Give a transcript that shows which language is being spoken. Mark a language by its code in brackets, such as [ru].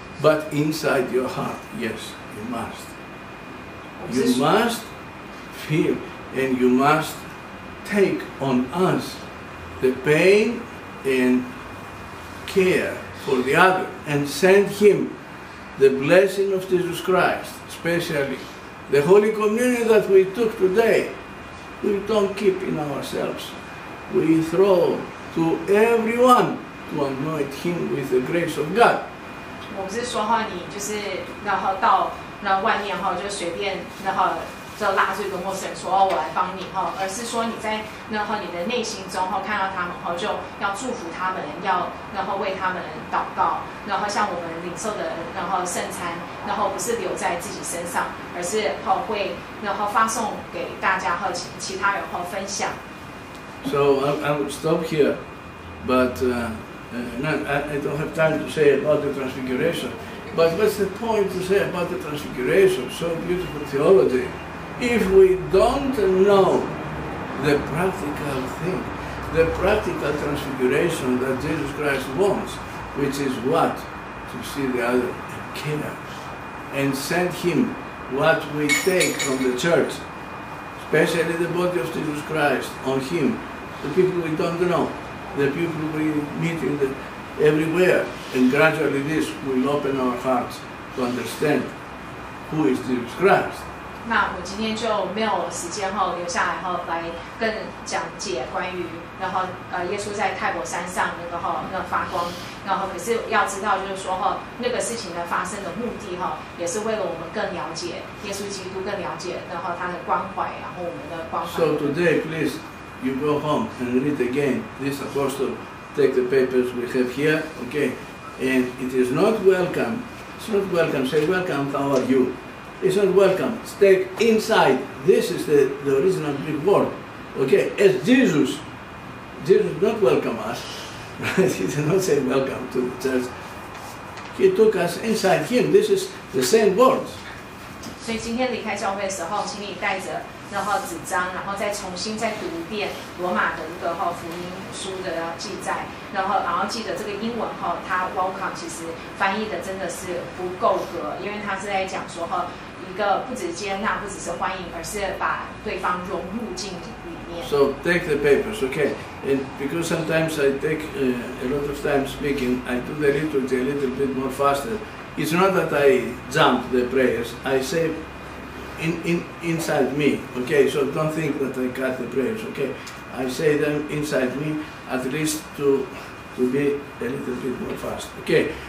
[en] But inside your heart, yes, you must. You must feel and you must take on us the pain and care for the other and send him. The blessing of Jesus Christ, especially the Holy Communion that we took today, we don't keep in ourselves. We throw to everyone to anoint him with the grace of God. [zh] 我不是说哈，你就是然后到那外面哈，就随便然后就拉住一个陌生人说哦，我来帮你哈，而是说你在然后你的内心中哈，看到他们哈，就要祝福他们，要然后为他们祷告，然后像我们领受的然后圣餐，然后不是留在自己身上，而是哈会然后发送给大家和其他人哈分享。 [en] So I would stop here, but. I don't have time to say about the Transfiguration, but what's the point to say about the Transfiguration? So beautiful theology. If we don't know the practical thing, the practical Transfiguration that Jesus Christ wants, which is what? To see the other and kill us and send him what we take from the church, especially the body of Jesus Christ on him, the people we don't know. The people we meet in the, everywhere, and gradually this will open our hearts to understand who is Jesus Christ. [zh] 那我今天就没有时间哈，留下来哈，来更讲解关于然后耶稣在泰伯山上那个哈那发光，然后可是要知道就是说哈那个事情的发生的目的哈，也是为了我们更了解耶稣基督，更了解然后他的关怀，然后我们的关怀。 [en] So today, please. You go home and read again this apostle, take the papers we have here, okay? And it is not welcome. It's not welcome. Say welcome, how are you? It's not welcome. Stay inside. This is the original Greek word, okay? As Jesus. Jesus did not welcome us. He did not say welcome to the church. He took us inside him. This is the same word. [zh] 所以今天离开教会的时候，请你带着然后纸张，然后再重新再读一遍罗马的一个哈福音书的记载，然后记得这个英文哈，它 welcome 其实翻译的真的是不够格，因为它是在讲说哈，一个不只接纳，不只是欢迎，而是把对方融入进里面。 [en] So take the papers, okay? And because sometimes I take a lot of time speaking, I do the liturgy a little bit more faster. It's not that I jump the prayers, I say. Inside me, okay, so don't think that I cut the prayers, okay? I say them inside me, at least to be a little bit more fast, okay?